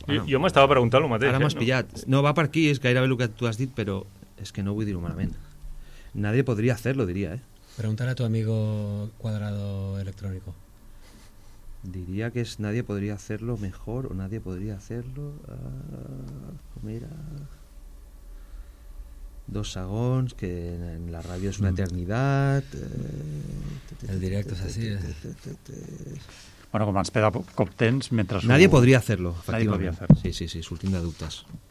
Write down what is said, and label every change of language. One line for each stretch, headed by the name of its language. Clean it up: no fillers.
Catalan: Jo m'estava preguntant el mateix. Ara m'has pillat. No, va per aquí, és gairebé el que tu has dit, però és que no vull dir-ho malament.
Spanish: Nadie podría hacerlo,
Catalan: diria.
Spanish: Preguntar a tu amigo cuadrado electrónico.
Catalan: Diria que és
Spanish: nadie podría hacerlo mejor o nadie podría hacerlo...
Catalan: Mira... Dos segons, que en la ràdio és una eternitat. El directe és així. Bueno, com ens peda cop tens mentre...
Spanish: Nadie
Catalan: podria fer-lo, efectivament. Sí, sortim de dubtes.